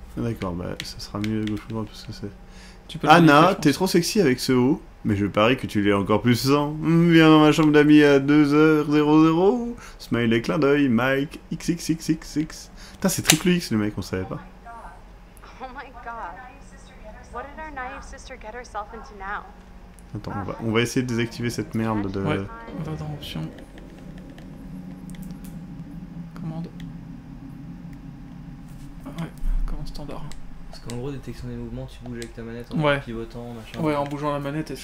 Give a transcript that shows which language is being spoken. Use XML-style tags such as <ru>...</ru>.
<fr>D'accord, bah, ça sera mieux gauche ou droite, parce que c'est... Tu peux Anna, faire, t'es trop sexy avec ce haut, mais je parie que tu l'es encore plus sans. Viens dans ma chambre d'amis à 2h00. Smile et clin d'œil, Mike, XXXXX. Putain, c'est triple X, le mec, on savait pas.</fr> <en>Oh my god. What did our naive sister get herself into now?</en> <fr>Attends, on va essayer de désactiver cette merde de... Ouais, on va dans option. Commande. Ouais, commande standard. Parce qu'en gros, détection des mouvements, tu bouges avec ta manette en pivotant, machin. Ouais, en bougeant la manette et ça.</fr>